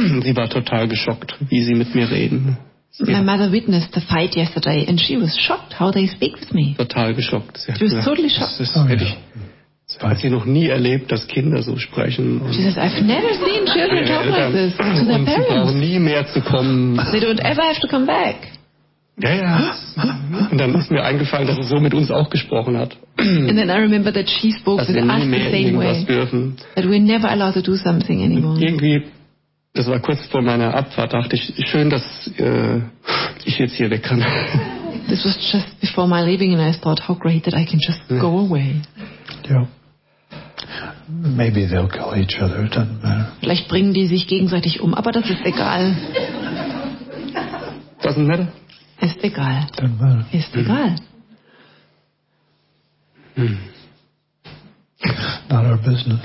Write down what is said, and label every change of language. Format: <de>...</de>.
<de>Sie war total geschockt, wie sie mit mir reden.</de> <en>My mother witnessed the fight yesterday and she was shocked how they speak with me.</en> <de>Total geschockt.</de> <en>She was totally shocked.</en> <de>Hat sie noch nie erlebt, dass Kinder so sprechen.</de> <en>She says, I've never seen children talk like this to their parents.</en> <de>Sie brauchen nie mehr zu kommen.</de> <en>They don't ever have to come back.</en> <de>Ja, ja. Und dann ist mir eingefallen, dass sie so mit uns auch gesprochen hat.</de> <en>And then I remember that she spoke with us the same way. That we're never allowed to do something anymore.</en> <de>Irgendwie. Das war kurz vor meiner Abfahrt, dachte ich, schön, dass ich jetzt hier weg kann.</de> <en>This was just before my leaving and I thought, how great that I can just go away. Yeah. Maybe they'll kill each other, it doesn't matter.</en> <de>Vielleicht bringen die sich gegenseitig um, aber das ist egal.</de> <en>Doesn't matter.</en> <de>Ist egal.</de> <en>Doesn't matter.</en> <de>Ist egal.</de> <en>not our business.</en>